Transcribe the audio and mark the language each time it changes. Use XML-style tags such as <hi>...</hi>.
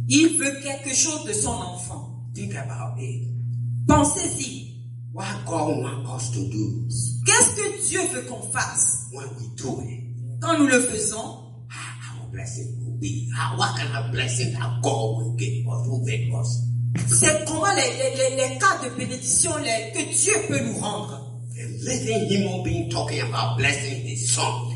<fr>Il veut quelque chose de son enfant.</fr> <en>Think about it.</en> <fr>Pensez-y.</fr> <en>What God wants us to do?</en> <fr>Qu'est-ce que Dieu veut qu'on fasse?</fr> <en>When we do it,</en> <fr>quand nous le faisons,</fr> <en>how blessed will be? What kind of blessing that God will give us? Will make us?</en> <fr>C'est comment les cas de bénédiction que Dieu peut nous rendre.</fr> <en>Living human being talking about blessing his son.</en>